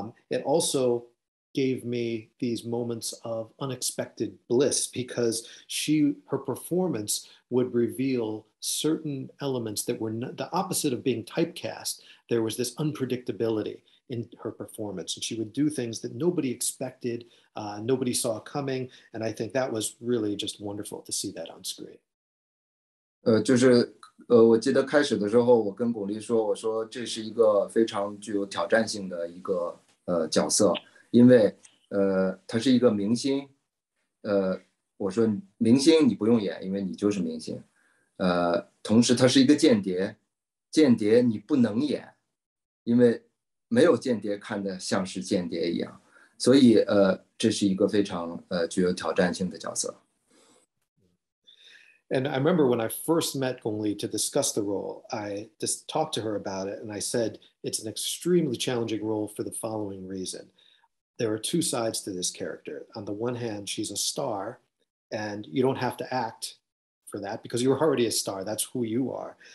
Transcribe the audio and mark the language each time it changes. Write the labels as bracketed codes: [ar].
[en] It also gave me these moments of unexpected bliss because her performance would reveal certain elements that were not, the opposite of being typecast. There was this unpredictability in her performance, and she would do things that nobody expected, nobody saw coming, and I think that was really just wonderful to see that on screen. [zh] 我记得开始的时候，我跟巩俐说，我说这是一个非常具有挑战性的一个角色。因为他是一个明星，我说明星你不用演，因为你就是明星，同时他是一个间谍，间谍你不能演，因为没有间谍看得像是间谍一样，所以这是一个非常具有挑战性的角色。 [en] And I remember when I first met Gong Li to discuss the role, I just talked to her about it, and I said it's an extremely challenging role for the following reason. There are two sides to this character. On the one hand, she's a star, and you don't have to act for that because you're already a star. That's who you are.